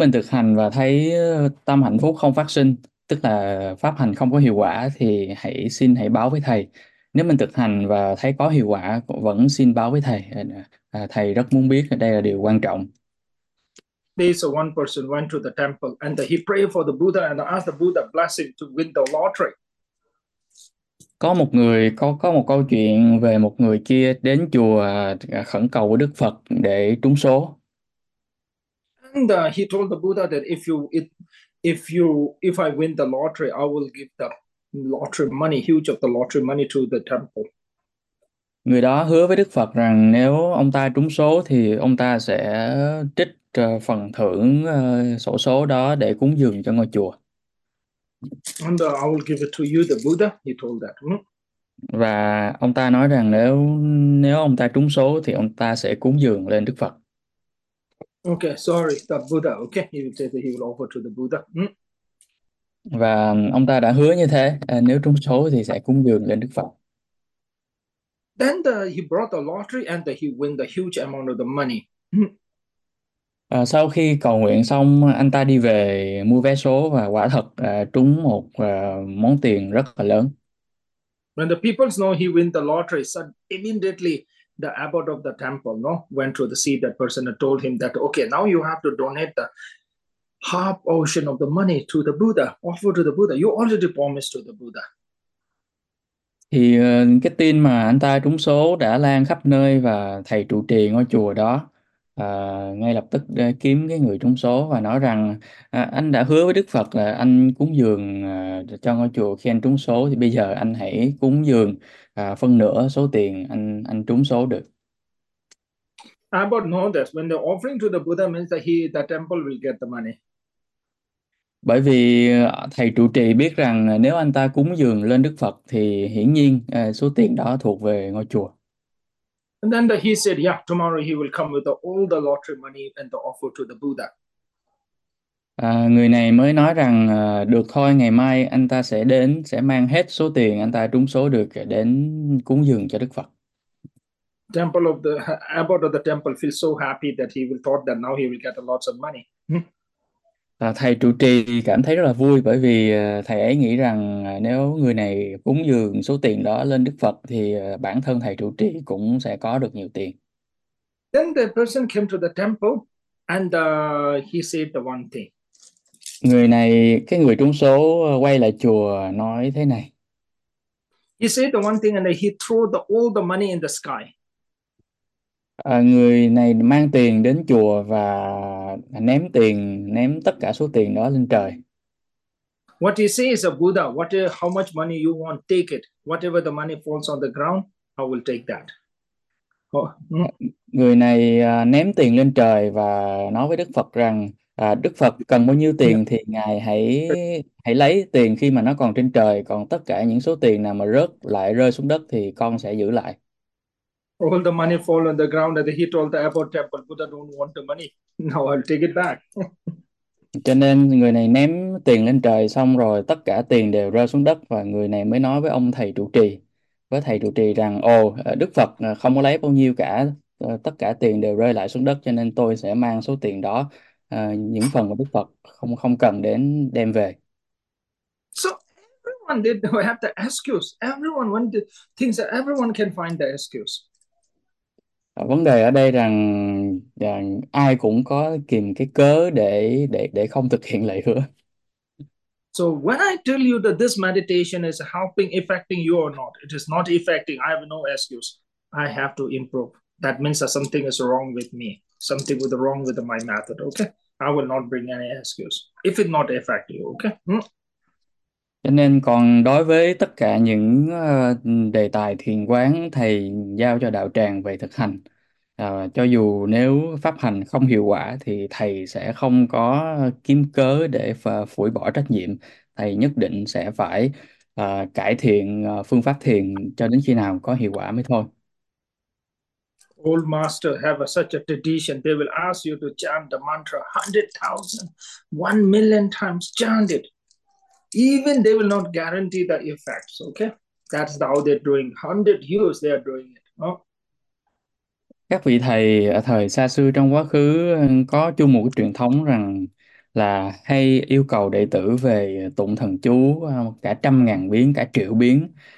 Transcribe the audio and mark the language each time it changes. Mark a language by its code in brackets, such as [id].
[vi] hành và thấy tâm hạnh phúc không phát sinh, tức là pháp hành không có hiệu quả, thì hãy xin hãy báo với thầy. Nếu mình thực hành và thấy có hiệu quả, vẫn xin báo với thầy. Thầy rất muốn biết, đây là điều quan trọng. [en] So one person went to the temple and he prayed for the Buddha and asked the Buddha blessing to win the lottery. [vi] Có một người có một câu chuyện về một người kia đến chùa khẩn cầu của Đức Phật để trúng số. [en] And he told the Buddha that if I win the lottery, I will give the lottery money, huge of the lottery money to the temple. [vi] Người đó hứa với Đức Phật rằng nếu ông ta trúng số thì ông ta sẽ trích phần thưởng xổ số đó để cúng dường cho ngôi chùa. [en] And I will give it to you, the Buddha, he told that. [vi] Và ông ta nói rằng nếu nếu ông ta trúng số thì ông ta sẽ cúng dường lên Đức Phật. [en] Okay, sorry, the Buddha, okay, he will say that he will offer to the Buddha. [vi] Và ông ta đã hứa như thế, nếu trúng số thì sẽ cúng dường lên Đức Phật. [en] Then he brought the lottery and he win the huge amount of the money. [vi] Sau khi cầu nguyện xong, anh ta đi về mua vé số và quả thật trúng một món tiền rất là lớn. [en] When the people know he win the lottery, so immediately the abbot of the temple, no, went to the see that person and told him that, okay, now you have to donate the half portion of the money to the Buddha, offer to the Buddha. You already promised to the Buddha. [vi] Thì cái tin mà anh ta trúng số đã lan khắp nơi và thầy trụ trì ngôi chùa đó ngay lập tức kiếm cái người trúng số và nói rằng anh đã hứa với Đức Phật là anh cúng dường cho ngôi chùa khi anh trúng số, thì bây giờ anh hãy cúng dường phân nửa số tiền anh trúng số được. [en] Abbot know that when the offering to the Buddha means that the temple will get the money. [vi] Bởi vì thầy trụ trì biết rằng nếu anh ta cúng dường lên Đức Phật thì hiển nhiên số tiền đó thuộc về ngôi chùa. [en] And then he said, yeah, tomorrow he will come with all the lottery money and the offer to the Buddha. [vi] Người này mới nói rằng được thôi, ngày mai anh ta sẽ đến, sẽ mang hết số tiền anh ta trúng số được đến cúng dường cho Đức Phật. [en] Temple of the abbot of the temple feels so happy that he will thought that now he will get lots of money. [vi] Thầy trụ trì cảm thấy rất là vui bởi vì thầy ấy nghĩ rằng nếu người này cúng dường số tiền đó lên Đức Phật thì bản thân thầy trụ trì cũng sẽ có được nhiều tiền. [en] Then the person came to the temple and he said the one thing. [vi] Người này, cái người trúng số quay lại chùa nói thế này. [en] He said the one thing and he threw all the money in the sky. [vi] Người này mang tiền đến chùa và ném tất cả số tiền đó lên trời. [en] What he says is a Buddha, what how much money you want, take it. Whatever the money falls on the ground, I will take that. [vi] Người này ném tiền lên trời và nói với Đức Phật rằng Đức Phật cần bao nhiêu tiền thì Ngài hãy hãy lấy tiền khi mà nó còn trên trời, còn tất cả những số tiền nào mà rơi xuống đất thì con sẽ giữ lại. [en] All the money fall on the ground and he told the abbot temple, Buddha don't want the money. Now I'll take it back. [vi] Cho nên người này ném tiền lên trời xong rồi tất cả tiền đều rơi xuống đất và người này mới nói với ông thầy trụ trì, với thầy trụ trì rằng ồ, Đức Phật không có lấy bao nhiêu cả, tất cả tiền đều rơi lại xuống đất, cho nên tôi sẽ mang số tiền đó, những phần của Đức Phật không không cần đến đem về. [en] Everyone did have the excuse. Everyone when the things that everyone can find the excuse. [vi] Vấn đề ở đây rằng ai cũng có tìm cái cớ để không thực hiện lời hứa. [en] So when I tell you that this meditation is helping, affecting you or not, it is not affecting. I have no excuse. I have to improve. That means that something is wrong with me. Something with the wrong with my method. Okay. I will not bring any excuse if it not affecting you. Okay. [vi] Nên còn đối với tất cả những đề tài thiền quán thầy giao cho đạo tràng về thực hành, cho dù nếu pháp hành không hiệu quả thì thầy sẽ không có kiếm cớ để phủi bỏ trách nhiệm, thầy nhất định sẽ phải cải thiện phương pháp thiền cho đến khi nào có hiệu quả mới thôi. [en] old master have a, such a tradition, they will ask you to chant the mantra 100,000, 1 million times, chant it. Even they will not guarantee the effects, okay? That's how they're doing. 100 years they are doing it. No? [vi] Các vị thầy ở thời xa xưa trong quá khứ có chung một truyền thống rằng là hay yêu cầu đệ tử về tụng thần chú cả trăm ngàn biến, cả triệu biến.